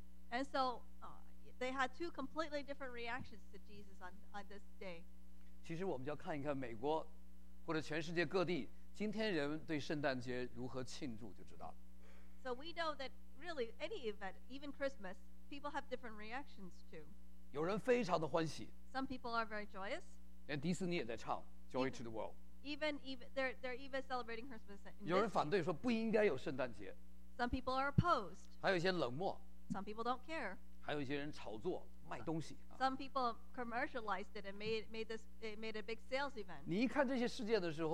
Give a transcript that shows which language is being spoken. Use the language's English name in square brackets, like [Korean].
[English] And so they had two completely different reactions to Jesus on this day. [Chinese] 其实我们就要看一看美国或者全世界各地今天人对圣诞节如何庆祝就知道了。 [English] So we know that really any event, even Christmas, people have different reactions to. [Chinese] 有人非常的欢喜。 [English] Some people are very joyous. [Chinese] 连迪士尼也在唱 Joy to the World. [English] They're even celebrating Christmas. [Chinese] 有人反对说不应该有圣诞节。 [English] Some people are opposed. [Chinese] 还有一些冷漠。 [English] Some people don't care. [Chinese] 还有一些人炒作。 [English] Some people commercialized it and made a big sales event.